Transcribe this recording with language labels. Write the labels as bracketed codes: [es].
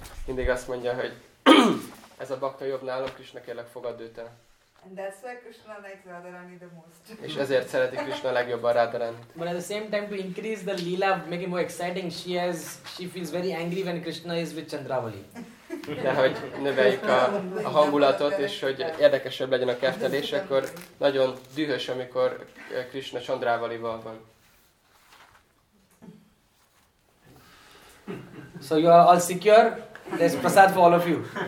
[hu] Mindig azt mondja, hogy ez a bakta jobb nálam, Krishna, kérlek, fogadd őt el. [en] And that's why Krishna likes Radharani the most. [hu] És ezért szereti Krishna legjobban Radharanit. [en] But at the same time, to increase the leela, make it more exciting, she feels very angry when Krishna is with Chandravali. [hu] De hogy növeljük a hangulatot, és hogy érdekesebb legyen a keftelés, akkor nagyon dühös, amikor Krishna Chandravalival van. [en] So you are all secure? There's prasad for all of you.